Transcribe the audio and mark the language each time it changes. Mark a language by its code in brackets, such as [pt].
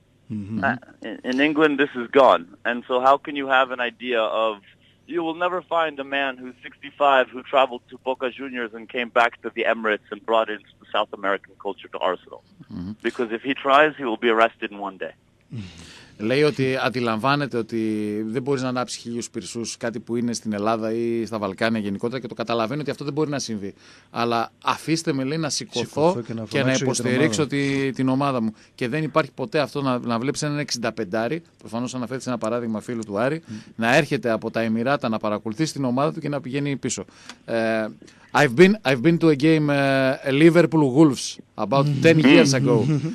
[en] Mm-hmm. In England, this is gone. And so how can you have an idea of, you will never find a man who's 65 who traveled to Boca Juniors and came back to the Emirates and brought in the South American culture to Arsenal. Because if he tries, he will be arrested in one day. [el] Λέει ότι αντιλαμβάνεται ότι δεν μπορείς να ανάψεις χίλιους πυρσούς κάτι που είναι στην Ελλάδα ή στα Βαλκάνια γενικότερα και το καταλαβαίνει ότι αυτό δεν μπορεί να συμβεί. Αλλά αφήστε με, λέει, να σηκωθώ και να υποστηρίξω την ομάδα μου. Και δεν υπάρχει ποτέ αυτό να βλέπεις έναν 65άρη, προφανώς αναφέρεται σε ένα παράδειγμα φίλου του Άρη, να έρχεται από τα Εμιράτα να παρακολουθήσει την ομάδα του και να πηγαίνει πίσω. [en] I've been to a game Liverpool Wolves about 10 years ago.